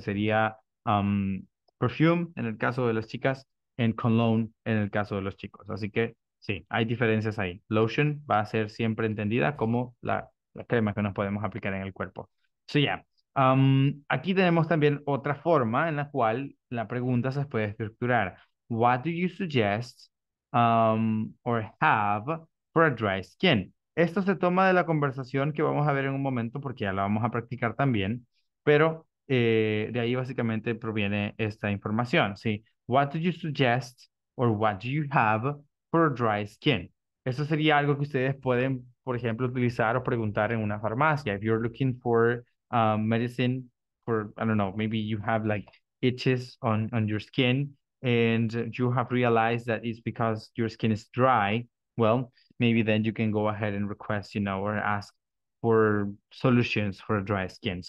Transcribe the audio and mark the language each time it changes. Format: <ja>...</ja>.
<es>Sería perfume en el caso de las chicas, en cologne en el caso de los chicos. Así que, sí, hay diferencias ahí. Lotion va a ser siempre entendida como la crema que nos podemos aplicar en el cuerpo.</es> <en>So, yeah.</en> <es>Aquí tenemos también otra forma en la cual la pregunta se puede estructurar.</es> <en>What do you suggest or have for a dry skin?</en> <es>Esto se toma de la conversación que vamos a ver en un momento porque ya la vamos a practicar también. Pero de ahí básicamente proviene esta información, ¿sí?</es> <en>What do you suggest or what do you have for dry skin?</en> <es>Eso sería algo que ustedes pueden, por ejemplo, utilizar o preguntar en una farmacia.</es> <en>If you're looking for medicine for, I don't know, maybe you have like itches on your skin and you have realized that it's because your skin is dry, well, maybe then you can go ahead and request, you know, or ask for solutions for a dry skin.</en>